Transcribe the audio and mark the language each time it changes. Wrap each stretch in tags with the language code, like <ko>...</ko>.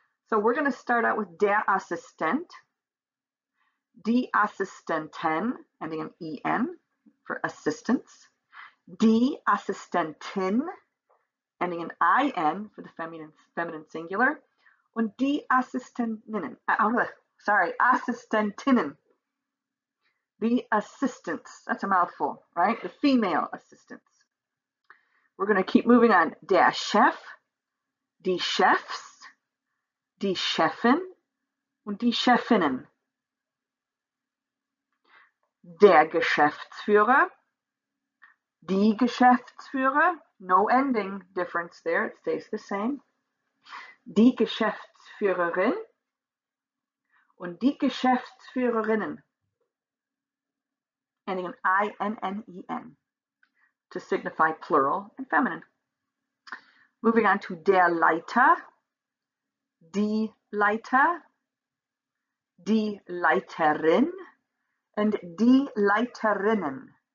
<en>So we're going to start out with</en> <de>der Assistent, die Assistenten,</de> <en>ending in en for assistants,</en> <de>die Assistentin,</de> <en>ending in in for the feminine singular,</en> <de>und die Assistentinnen, Assistentinnen.</de> <en>The assistants, that's a mouthful, right? The female assistants. We're going to keep moving on.</en> <de>Der Chef, die Chefs, die Chefin und die Chefinnen. Der Geschäftsführer, die Geschäftsführer.</de> <en>No ending difference there, it stays the same.</en> <de>Die Geschäftsführerin und die Geschäftsführerinnen.</de> <en>Ending in I-N-N-E-N to signify plural and feminine. Moving on to</en> <de>der Leiter, die Leiter, die Leiterin,</de> <en>and</en> <de>die Leiterinnen.</de>